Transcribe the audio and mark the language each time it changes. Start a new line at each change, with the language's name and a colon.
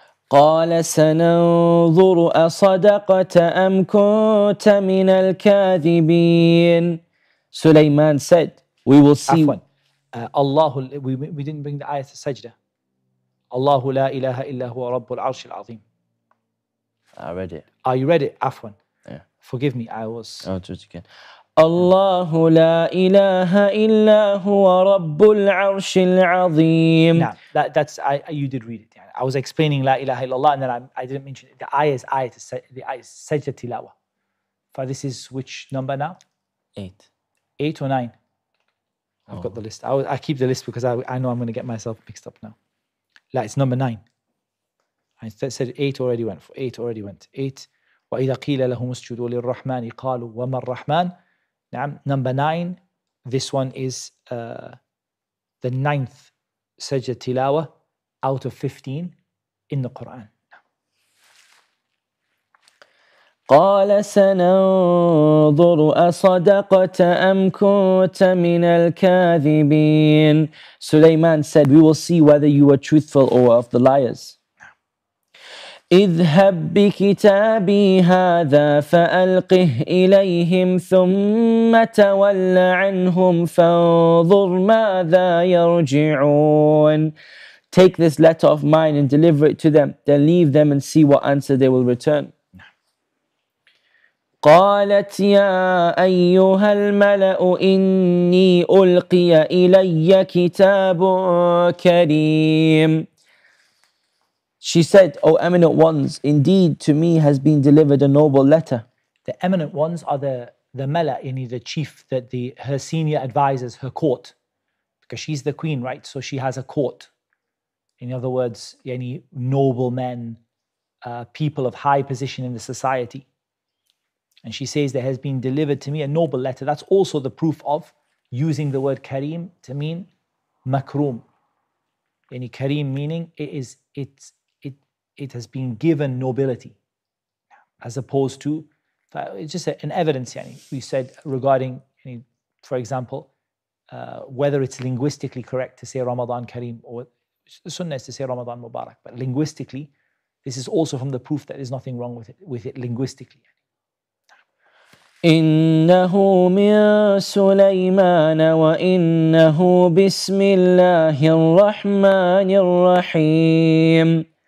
Arabic: قال سننظر أصدقت أم كنت من الكاذبين.
English: Sulaiman said, we will see.
Arabic: Afwan.
English: We didn't bring the ayah to sajda.
Arabic: Allahu la ilaha illa huwa rabbul arsh al-azim.
English: I read it. Oh, you read it, Afwan. Yeah. Forgive me, I was... I'll do it again.
Arabic: Allahu la ilaha illa huwa rabbul arsh al-azim.
English: No, you did read it. Yani. I was explaining la ilaha illallah and then I didn't mention it. The ayah is ayah, the ayah is sajda tilawa. For this is which number now? Eight or nine? I've got the list. I keep the list because I know I'm going to get myself mixed up now. Like, it's number nine. I said eight already went. Eight.
Arabic: وَإِذَا قِيلَ لَهُمُ اسْجُدُوا لِلرَّحْمَنِ قَالُوا وَمَا الرَّحْمَنِ.
English: Number nine. This one is the ninth sajda tilawa out of 15 in the Quran.
Arabic: قال سننظر أصدقت أم كنت من الكاذبين.
English: Sulaiman said, we will see whether you were truthful or of the liars.
Arabic: اذهب بكتابي هذا فألقه إليهم ثم تول عنهم فانظر ماذا يرجعون.
English: Take this letter of mine and deliver it to them, then leave them and see what answer they will return.
Arabic: قالت يا أيها الملأ إني ألقي إلي كتاب كريم.
English: She said, O eminent ones, indeed to me has been delivered a noble letter. The eminent ones are the Mala, yani the chief, that the her senior advisors, her court. Because she's the queen, right? So she has a court. In other words, yani noble men, people of high position in the society. And she says, there has been delivered to me a noble letter. That's also the proof of using the word Kareem to mean makroom. Any Kareem meaning it has been given nobility. As opposed to, it's just an evidence. Yani, we said regarding, yani, for example, whether it's linguistically correct to say Ramadan Kareem, or the Sunnah is to say Ramadan Mubarak. But linguistically, this is also from the proof that there's nothing wrong with it linguistically.
Arabic: إنه من سليمان وإنه بسم الله الرحمن الرحيم.